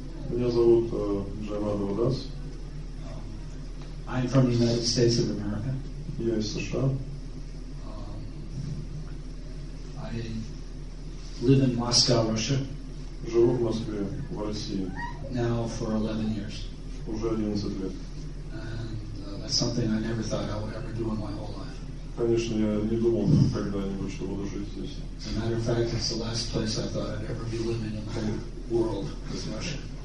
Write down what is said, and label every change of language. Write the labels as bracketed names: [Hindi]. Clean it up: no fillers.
[Russian] Меня зовут Джай Мадхава Дас. [English] I'm from the United States of America. [Russian] Я из США. [English] I live in Moscow, Russia. [Russian] Живу в Москве, в России. [English] Now for 11 years. [Russian] Уже 11 лет. [English] And that's something I never thought I would ever do in my whole life. [Russian] Конечно, я не думал когда-нибудь, что буду жить здесь. [English] As a matter of fact, it's the last place I thought I'd ever be living in the whole world, is Russia.